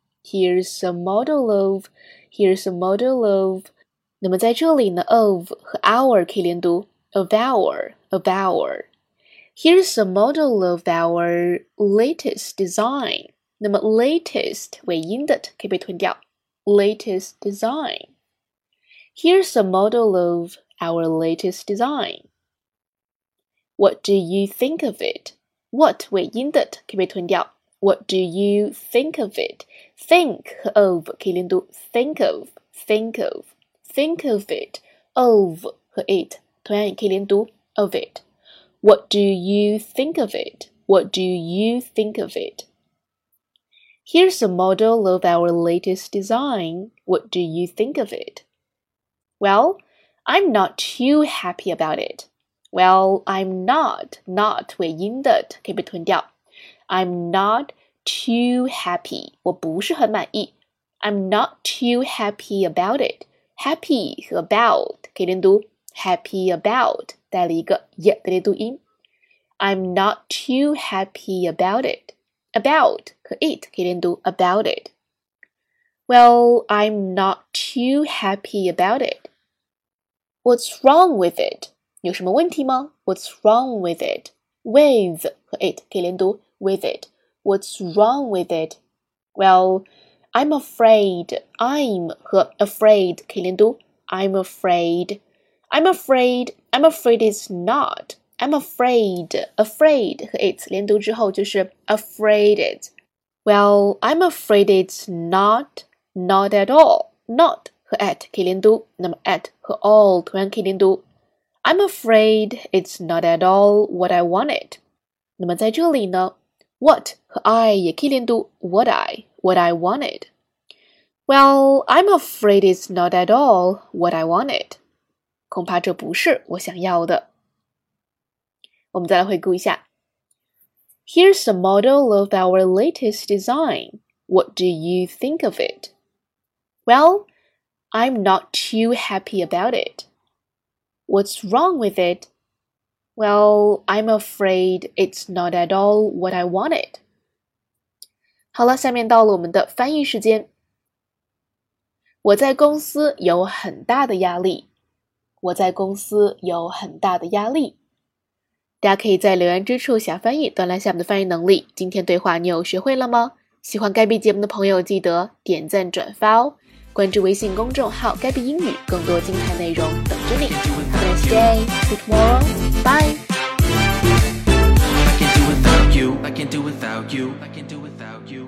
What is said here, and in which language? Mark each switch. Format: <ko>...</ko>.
<en>Here's a model of, here's a model of.</en> <zh>那么在这里呢 of 和 our 可以连读</zh> <en>of our, of our. Here's a model of our latest design.</en> <zh>那么 latest 尾音的可以被吞掉</zh> <en>latest design. Here's a model of our latest design. What do you think of it?</en> <zh>What 尾音的可以被吞掉</zh> <en>What do you think of it? Think of,</en> <zh>可以连读</zh> <en>think of, think of, think of it,</en> <zh>of 和 it, 同样也可以连读</zh> <en>of it. What do you think of it? What do you think of it? Here's a model of our latest design. What do you think of it? Well, I'm not too happy about it. Well, I'm not</en> <zh>尾音的可以被吞掉。</zh> <en>I'm not too happy.</en> <zh>我不是很满意。</zh> <en>I'm not too happy about it.</en> <zh>Happy 和 about 可以连读。</zh> <en>Happy about</en> <zh>带了一个 也 的连读音。</zh> <en>I'm not too happy about it.</en> <zh>About 和 it 可以连读</zh> <en>about it. Well, I'm not too happy about it. What's wrong with it?</en> <zh>有什么问题吗</zh> <en>What's wrong with it?</en> <zh>With 和 it 可以连读。</zh> <en>With it. What's wrong with it? Well, I'm afraid.</en> <zh>I'm 和 afraid 可以连读。</zh> <en>I'm afraid. I'm afraid. I'm afraid it's not. I'm afraid. Afraid</en> <zh>和 it 连读之后就是</zh> <en>afraid it. Well, I'm afraid it's not. Not at all.</en> <zh>Not 和 at 可以连读。那么 at 和 all 同样可以连读。</zh> <en>I'm afraid it's not at all what I wanted.</en> <zh>那么在这里呢 ,what 和 I 也可以连读</zh> <en>what I wanted. Well, I'm afraid it's not at all what I wanted.</en> <zh>恐怕这不是我想要的。我们再来回顾一下。</zh> <en>Here's a model of our latest design. What do you think of it? Well, I'm not too happy about it. What's wrong with it? Well, I'm afraid it's not at all what I wanted.</en> <zh>好了，下面到了我们的翻译时间。我在公司有很大的压力。我在公司有很大的压力。大家可以在留言之处下翻译，锻炼下我们的翻译能力。今天对话你有学会了吗？喜欢 Gabby 节目的朋友记得点赞转发哦。关注微信公众号 Gabby 英语，更多精彩内容等着你。</zh> <en>Today, tomorrow, bye. I can do without you. I can do without you. I can do without you.</en>